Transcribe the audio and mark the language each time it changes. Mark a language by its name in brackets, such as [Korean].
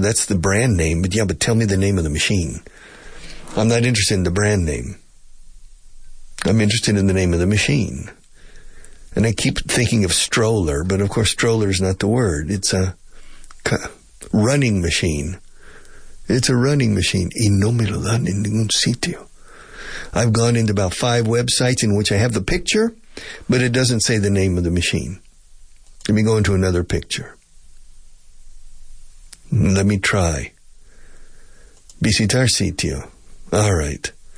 [English] That's the brand name. But yeah, but tell me the name of the machine. I'm not interested in the brand name. I'm interested in the name of the machine. And I keep thinking of stroller, but of course stroller is not the word. It's a running machine. It's a running machine. [Spanish] Y no me lo dan en ningún sitio. [English] I've gone into about 5 websites in which I have the picture, but it doesn't say the name of the machine. Let me go into another picture. Let me try. [Spanish] Visitar sitio. [English] All right.